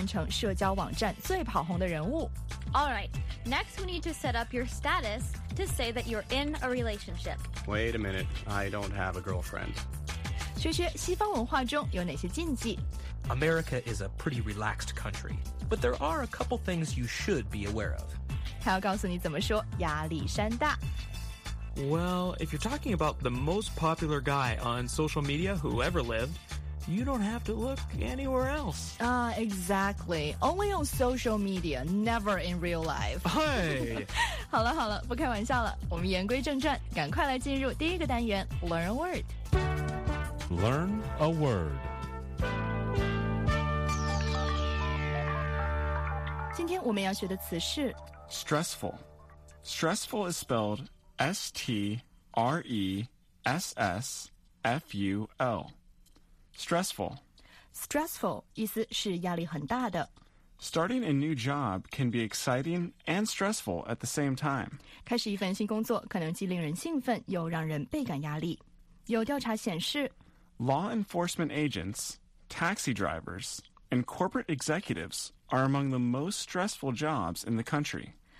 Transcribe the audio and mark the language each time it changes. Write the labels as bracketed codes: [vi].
[zh] 欢迎大家来到这期的美语训练班，我是杨林，我是麦杨林，来告诉大家今天都要学什么了。没问题，今天我们要聊聊怎么变成社交网站最跑红的人物。All [en] right, next we need to set up your status to say that you're in a relationship. Wait a minute, I don't have a girlfriend. [zh] 学学西方文化中有哪些禁忌。 [en] America is a pretty relaxed country, but there are a couple things you should be aware of. [zh] 他要告诉你怎么说压力山大。 [en] Well, if you're talking about the most popular guy on social media who ever lived, you don't have to look anywhere else. Exactly. Only on social media, never in real life. Hey! [zh] 好了好了，不开玩笑了，我们言归正传，赶快来进入第一个单元 Learn a Word. [en] Learn a Word. [zh] 今天我们要学的词是 [en] Stressful. Stressful is spelled S-T-R-E-S-S-F-U-L. Stressful. [zh] Stressful 意思是压力很大的。 [en] Starting a new job can be exciting and stressful at the same time. [zh] 开始一份新工作可能既令人兴奋又让人倍感压力。有调查显示 [en] Law enforcement agents, taxi drivers, and corporate executives are among the most stressful jobs in the country.